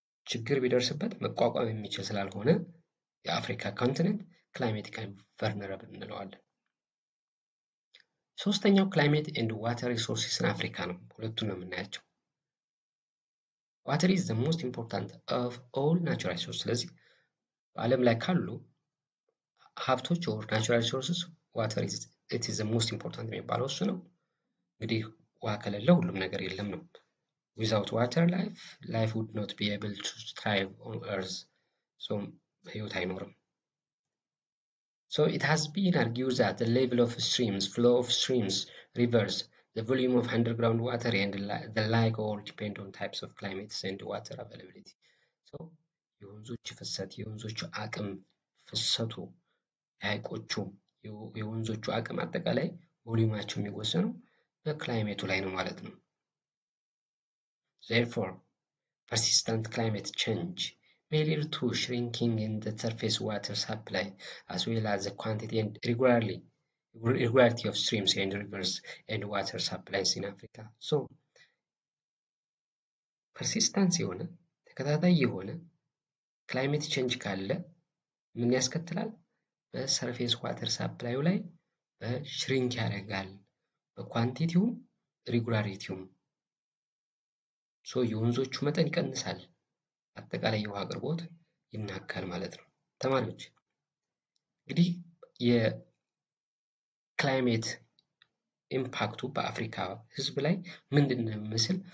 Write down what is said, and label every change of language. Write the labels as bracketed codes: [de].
[am] ችግር ቢደርስበት መቋቋም የሚችል ስላልሆነ የአፍሪካ ኮንቲኔንት [en] climatic vulnerable [am] እንለዋለን። ሶስተኛው [en] climate and water resources in Africa [am] ነው። ሁለቱን ነው የምናያቸው። [en] Water is the most important of all natural resources. [am] ስለዚህ በዓለም ላይ ካሉ ሀብቶች [en] ወር ናቹራል ሪሶርስስ ዋተር ኢት ኢዝ ዘ ሞስት ኢምፖርታንት [am] የሚባለው እሱ ነው። እንግዲህ ውሃ ከሌለ ሁሉም ነገር የለም ነው። [en] ዊዛውት ዋተር ላይፍ ላይፍ ውድ ኖት ቢ ኤብል ቱ ትራይቭ ኦን ኤርዝ፣ ሶም [am] ህይወት አይኖርም። [en] So it has been argued that the level of streams, flow of streams, rivers, the volume of underground water and the like all depend on types of climates and water availability. [am] So የወንዞች ፍሰት፣ የወንዞቹ አቅም ፍሰቱ፣ ሐይቆቹ፣ የወንዞቹ አቅም አጠቃላይ ቮሊዩማቸው የሚወሰነው በክላይሜቱ ላይ ነው ማለት ነው። [en] Therefore, persistent climate change may lead to shrinking in the surface water supply as well as the quantity and regularity of streams and rivers and water supplies in Africa. [am] So, persistence የሆነ ተከታታይ የሆነ ክላይሜት ቼንጅ ካለ ምን ያስከትላል? በሰርፌስ ዋተር ሳፕላዩ ላይ በሽሪንክ ያደርጋል፣ በኳንቲቲውም ሪጉላሪቲውም። ሶ የወንዞቹ መጠን ይቀንሳል፣ አጠቃላይ የውሃ አቅርቦት ይናጋል ማለት ነው። ተማሪዎች እንግዲህ የክላይሜት ኢምፓክቱ በአፍሪካ ህዝብ ላይ ምንድን ነው የሚመስል?